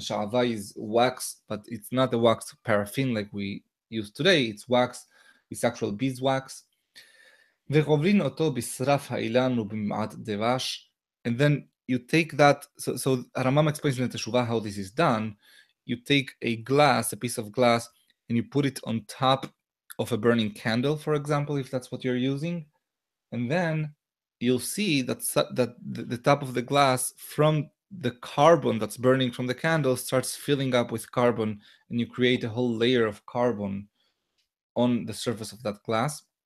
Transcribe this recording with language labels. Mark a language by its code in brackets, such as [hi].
[en] שעבה is wax, but it's not the wax paraffin like we used today. It's wax, it's actual beeswax. [he] וחובלין אותו בשרף האילן ובמעט דבש. [en] And then you take that, so הרמב"ם explains in the Teshuvah how this is done. You take a glass, a piece of glass, and you put it on top of a burning candle, for example, if that's what you're using. And then you'll see that the top of the glass from the carbon that's burning from the candle starts filling up with carbon, and you create a whole layer of carbon on the surface of that glass.